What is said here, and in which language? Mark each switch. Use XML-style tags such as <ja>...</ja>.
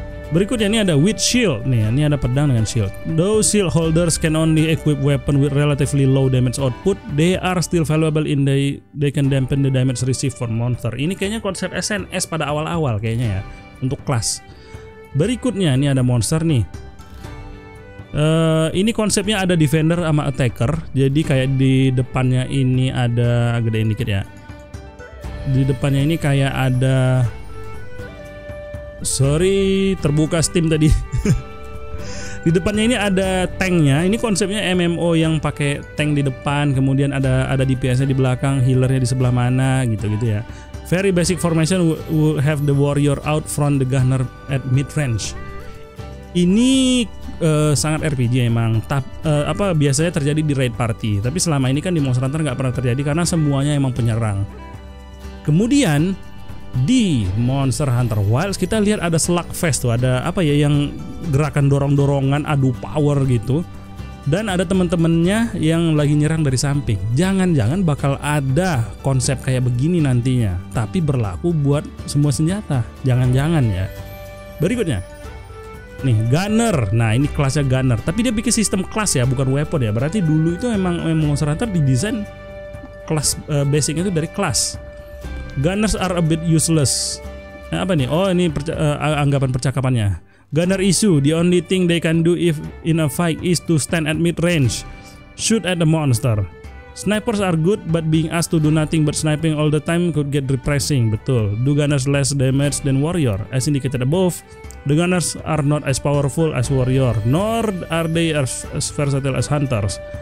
<id>Berikutnya ini ada</id> <en>with shield.</en> <id>Nih, ini ada pedang dengan shield.</id> <en>Though shield holders can only equip weapon with relatively low damage output, they are still valuable in they can dampen the damage received from monster.</en> <id>Ini kayaknya konsep SNS pada awal-awal kayaknya ya untuk kelas. Berikutnya ini ada monster nih. Ini konsepnya ada defender sama attacker. Jadi kayak di depannya ini ada gedein dikit ya. Di depannya ini kayak ada,</id> <en>sorry</en> <id>terbuka steam tadi. Di depannya ini ada tanknya. Ini konsepnya MMO yang pakai tank di depan, kemudian ada DPS-nya di belakang, healernya di sebelah mana gitu-gitu ya.</id> <en>Very basic formation will have the warrior out front, the gunner at mid range.</en> <id>Ini sangat RPG emang. Biasanya terjadi di raid party, tapi selama ini kan di Monster Hunter nggak pernah terjadi karena semuanya emang penyerang. Kemudian di Monster Hunter Wilds kita lihat ada slugfest tuh, ada apa ya yang gerakan dorong-dorongan adu power gitu, dan ada teman-temannya yang lagi nyerang dari samping. Jangan-jangan bakal ada konsep kayak begini nantinya, tapi berlaku buat semua senjata. Jangan-jangan ya. Berikutnya nih, gunner. Nah, ini kelasnya gunner, tapi dia bikin sistem kelas ya, bukan weapon ya. Berarti dulu itu memang Monster Hunter didesain kelas, basicnya itu dari kelas.</id> <en>Gunners are a bit useless.</en> <id>Nah, apa nih? Oh, ini anggapan percakapannya.</id> <en>Gunner issue, the only thing they can do if in a fight is to stand at mid range, shoot at the monster. Snipers are good, but being asked to do nothing but sniping all the time could get depressing.</en> <id>Betul.</id> <en>Do gunners less damage than warrior? As indicated above, the gunners are not as powerful as warrior, nor are they as versatile as hunters.</en>